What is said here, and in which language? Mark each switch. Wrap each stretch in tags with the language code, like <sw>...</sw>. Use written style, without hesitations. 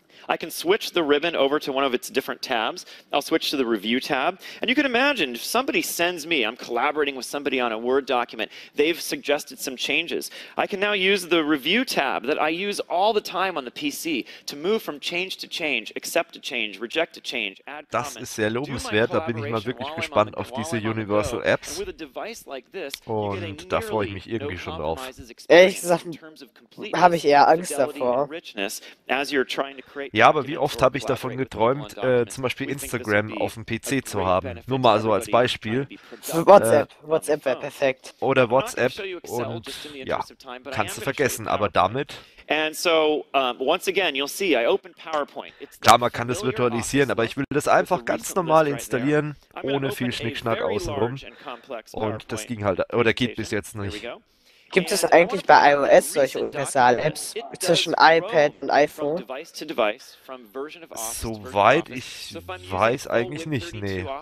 <en>I can switch the ribbon over to one of its different tabs. I'll switch to the Review tab. And you can imagine, if somebody sends me, I'm collaborating with somebody on a Word document, they've suggested some changes. I can now use the Review tab that I use all the time on the PC to move from change to change, accept a change, reject a change, add comments.</en> <de>Das ist sehr lobenswert, da bin ich mal wirklich gespannt auf diese Universal Apps. Und da freue ich mich irgendwie schon drauf. Ehrlich gesagt, habe ich eher Angst davor.</de> <en>As you're trying to create.</en> <de>Ja, aber wie oft habe ich davon geträumt, zum Beispiel Instagram auf dem PC zu haben? Nur mal so als Beispiel. WhatsApp wäre perfekt. Oder WhatsApp und ja, kannst du vergessen, aber damit...</de> <en>And so, once again, you'll see, I open PowerPoint.</en> <de>Klar, man kann das virtualisieren, aber ich will das einfach ganz normal installieren, ohne viel Schnickschnack außenrum. Und das ging halt, oder geht bis jetzt nicht. Gibt es eigentlich bei iOS solche Universal-Apps zwischen iPad und iPhone? Soweit ich weiß, eigentlich nicht, nee.</de>